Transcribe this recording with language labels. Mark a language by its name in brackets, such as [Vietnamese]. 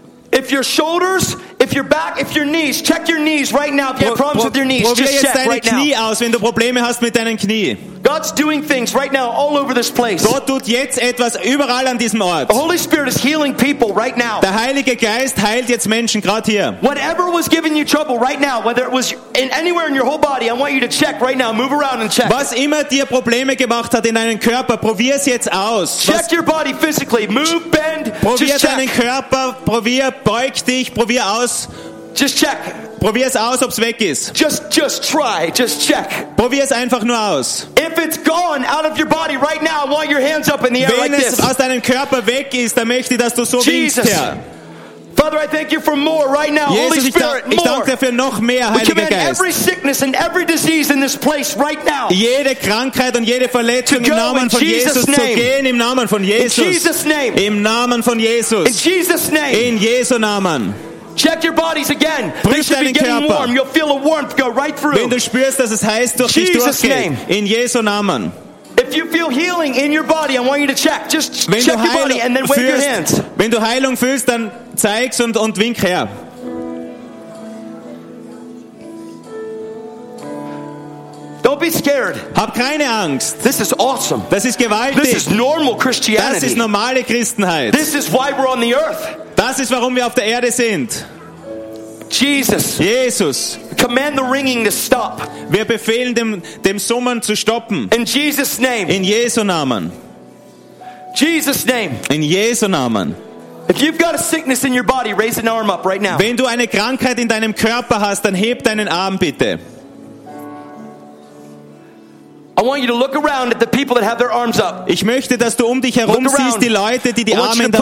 [English] If your shoulders, if your back, if your knees, check your knees right now. If you have problems with your knees, just check right now. [German] Probier jetzt deine Knie aus, wenn du Probleme hast mit deinen Knie. [English] God's doing things right now all over this place. [German] Gott tut jetzt etwas überall an diesem Ort. [English] The Holy Spirit is healing people right now. [German] Der Heilige Geist heilt jetzt Menschen gerade hier. [English] Whatever was giving you trouble right now, whether it was in anywhere in your whole body, I want you to check right now. Move around and check. [German] Was immer dir Probleme gemacht hat in deinem Körper, probier es jetzt aus. [English] Check your body physically. Move, bend, just check. [German] Probier deinen Körper, probier, beug dich, probier aus. [English] Just check. [German] Probier es aus, ob es weg ist. [English] Just try. Just check. [German] Probier es einfach nur aus. [English] If it's gone out of your body right now, I want your hands up in the air like this. [German] Wenn es aus deinem Körper weg ist, dann möchte ich, dass du so winkst, Herr. [English] Father, I thank you for more right now. Jesus, Holy Spirit, more. [German] Ich danke dir für noch mehr, Heiliger Geist. [English] We command every sickness and every disease in this place right now. [German] Jede Krankheit und jede Verletzung im Namen von Jesus zu gehen im Namen von Jesus. [English] In Jesus' name. [German] Im Namen von Jesus. [English] In Jesus' name. [German] In Jesu Namen. [English] Check your bodies again. They should be getting warm. You'll feel a warmth go right through. [German] Wenn du spürst, dass es heiß durch dich durchgeht. [English] Jesus' name. [German] In Jesu Namen. [English] If you feel healing in your body, I want you to check. Just [German] wenn [English] check your body and then wave [German] fühlst, [English] your hands. [German] Wenn du Heilung fühlst, dann zeig's und wink her. [English] Don't be scared. [German] Hab keine Angst. [English] This is awesome. [German] Das ist gewaltig. [English] This is normal Christianity. [German] Das ist normale Christenheit. [English] This is why we're on the earth. [German] Das ist, warum wir auf der Erde sind. [English] Jesus. Jesus. Command the ringing to stop. [German] Wir befehlen dem Summen zu stoppen. [English] In Jesus' name. [German] In Jesu Namen. [English] Jesus' name. [German] In Jesu Namen. [English] If you've got a sickness in your body, raise an arm up right now. [German] Wenn du eine Krankheit in deinem Körper hast, dann heb deinen Arm bitte. [English] I want you to look around at the people that have their arms up. [German] Ich möchte, dass du um dich herum siehst die Leute, die die Arme da